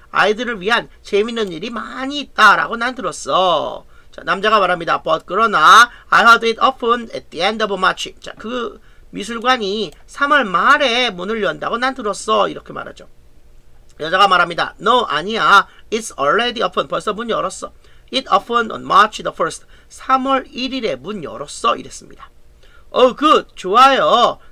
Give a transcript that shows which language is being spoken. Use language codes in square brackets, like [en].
[ko] 아이들을 위한 재밌는 일이 많이 있다 라고 난 들었어. 자, 남자가 말합니다. [en] But [ko] 그러나 [en] I heard it open at the end of March. [ko] 자, 그 미술관이 3월 말에 문을 연다고 난 들었어. 이렇게 말하죠. 여자가 말합니다. No, 아니야. [en] It's already open. [ko] 벌써 문 열었어. [en] It opened on March the 1st. [ko] 3월 1일에 문 열었어. 이랬습니다. [en] Oh, good. [ko] 좋아요.